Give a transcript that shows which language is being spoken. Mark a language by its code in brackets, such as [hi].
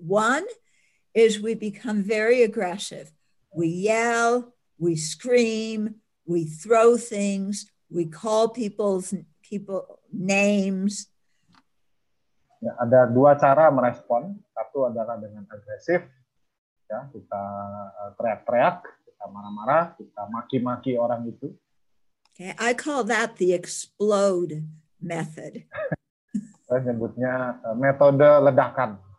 [en] One is we become very aggressive. We yell, we scream, we throw things, we call people names. [id] Ya, ada dua cara merespon. Satu adalah dengan agresif, ya, kita teriak-teriak, kita marah-marah, kita maki-maki orang itu. [en] Okay, I call that the explode method. [id] Saya menyebutnya metode ledakan.